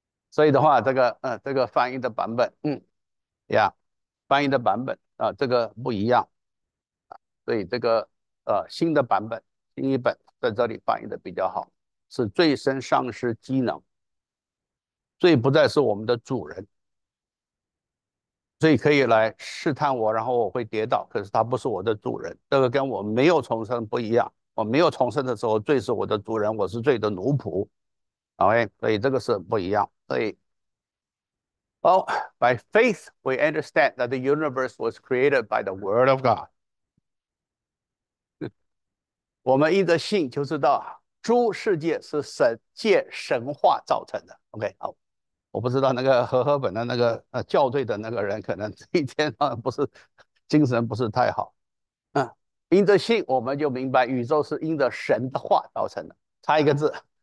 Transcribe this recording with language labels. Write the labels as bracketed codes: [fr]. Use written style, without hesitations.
[zh] 所以的话，这个翻译的版本，翻译的版本这个不一样，所以这个新的版本，新译本在这里翻译的比较好，是罪身丧失机能，罪不再是我们的主人，罪可以来试探我，然后我会跌倒，可是他不是我的主人，这个跟我没有重生不一样，我没有重生的时候，罪是我的主人，我是罪的奴仆。所以这个是不一样。 [en] 所以，by faith we understand that the universe was created by the word of God。 [zh] 我们因着信就知道，诸世界是神借神话造成的。我不知道那个和合本的那个校对的那个人，可能这一天啊不是精神不是太好。因着信我们就明白宇宙是因着神的话造成的，差一个字。